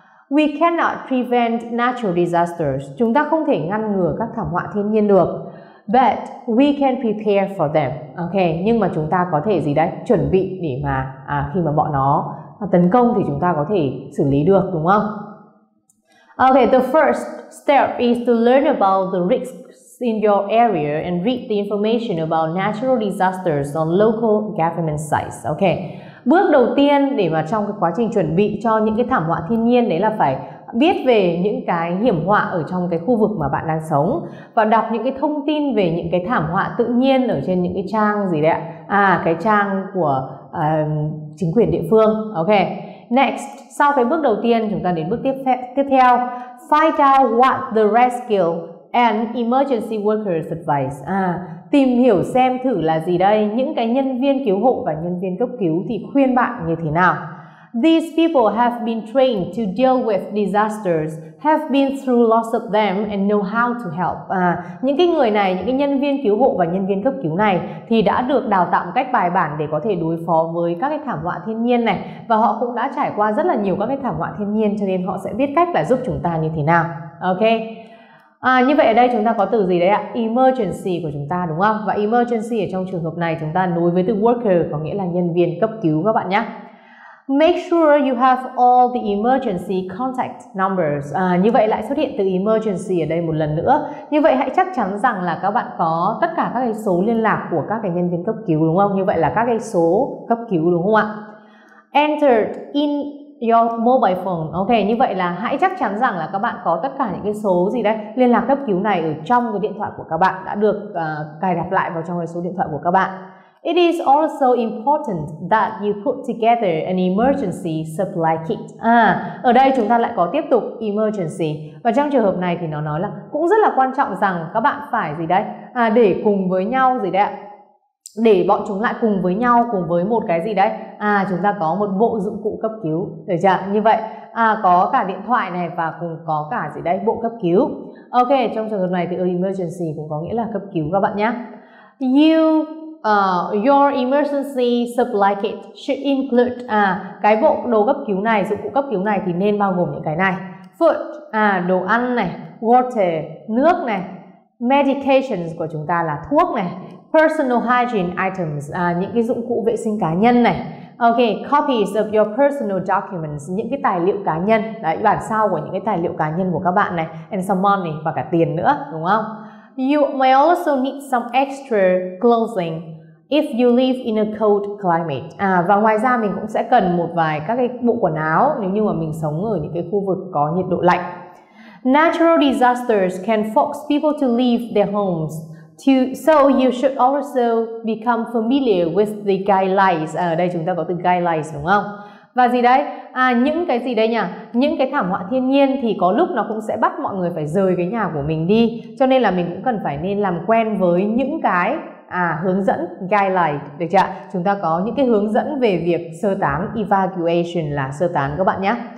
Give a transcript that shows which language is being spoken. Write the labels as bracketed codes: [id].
[en] We cannot prevent natural disasters. [vi] Chúng ta không thể ngăn ngừa các thảm họa thiên nhiên được. [en] But we can prepare for them. [vi] Okay, nhưng mà chúng ta có thể gì đấy? Chuẩn bị để mà khi mà bọn nó tấn công thì chúng ta có thể xử lý được đúng không? [en] Okay, the first step is to learn about the risks in your area and read the information about natural disasters on local government sites. Okay. [vi] Bước đầu tiên để mà trong cái quá trình chuẩn bị cho những cái thảm họa thiên nhiên đấy là phải biết về những cái hiểm họa ở trong cái khu vực mà bạn đang sống và đọc những cái thông tin về những cái thảm họa tự nhiên ở trên những cái trang gì đấy ạ? Cái trang của chính quyền địa phương. Okay. Next, sau cái bước đầu tiên chúng ta đến bước tiếp theo. [en] Find out what the rescue and emergency workers advise. [vi] Tìm hiểu xem thử là gì đây, những cái nhân viên cứu hộ và nhân viên cấp cứu thì khuyên bạn như thế nào. [en] These people have been trained to deal with disasters, have been through lots of them and know how to help. [vi] Những cái người này, những cái nhân viên cứu hộ và nhân viên cấp cứu này thì đã được đào tạo một cách bài bản để có thể đối phó với các cái thảm họa thiên nhiên này, và họ cũng đã trải qua rất là nhiều các cái thảm họa thiên nhiên cho nên họ sẽ biết cách là giúp chúng ta như thế nào. Ok. Như vậy ở đây chúng ta có từ gì đấy ạ? Emergency của chúng ta đúng không? Và emergency ở trong trường hợp này chúng ta nối với từ worker có nghĩa là nhân viên cấp cứu các bạn nhé. [en] Make sure you have all the emergency contact numbers. [vi] Như vậy lại xuất hiện từ emergency ở đây một lần nữa. Như vậy hãy chắc chắn rằng là các bạn có tất cả các cái số liên lạc của các cái nhân viên cấp cứu đúng không? Như vậy là các cái số cấp cứu đúng không ạ? [en] Enter in your mobile phone. [vi] Ok, như vậy là hãy chắc chắn rằng là các bạn có tất cả những cái số gì đấy liên lạc cấp cứu này ở trong cái điện thoại của các bạn, đã được cài đặt lại vào trong cái số điện thoại của các bạn. [en] It is also important that you put together an emergency supply kit. [vi] Ở đây chúng ta lại có tiếp tục emergency. Và trong trường hợp này thì nó nói là cũng rất là quan trọng rằng các bạn phải gì đấy? Để cùng với nhau gì đấy ạ? Để bọn chúng lại cùng với nhau, cùng với một cái gì đấy? Chúng ta có một bộ dụng cụ cấp cứu. Được chưa? Như vậy, có cả điện thoại này và cùng có cả gì đấy? Bộ cấp cứu. Ok, trong trường hợp này thì emergency cũng có nghĩa là cấp cứu các bạn nhé. You... [en] Your emergency supply kit should include [vi] cái bộ đồ cấp cứu này, dụng cụ cấp cứu này thì nên bao gồm những cái này. Food, đồ ăn này, water, nước này, medications của chúng ta là thuốc này, [en] personal hygiene items, [vi] những cái dụng cụ vệ sinh cá nhân này. Okay, [en] copies of your personal documents, [vi] những cái tài liệu cá nhân, đấy, bản sao của những cái tài liệu cá nhân của các bạn này, [en] and some money, [vi] và cả tiền nữa, đúng không? [en] You may also need some extra clothing if you live in a cold climate. [vi] Và ngoài ra mình cũng sẽ cần một vài các cái bộ quần áo nếu như mà mình sống ở những cái khu vực có nhiệt độ lạnh. [en] Natural disasters can force people to leave their homes. So you should also become familiar with the guidelines. [vi] Ở đây chúng ta có từ guidelines đúng không? Và gì đấy? Những cái gì đây nhỉ? Những cái thảm họa thiên nhiên thì có lúc nó cũng sẽ bắt mọi người phải rời cái nhà của mình đi. Cho nên là mình cũng cần phải nên làm quen với những cái hướng dẫn, guidelines, được chưa? Chúng ta có những cái hướng dẫn về việc sơ tán, evacuation là sơ tán các bạn nhé.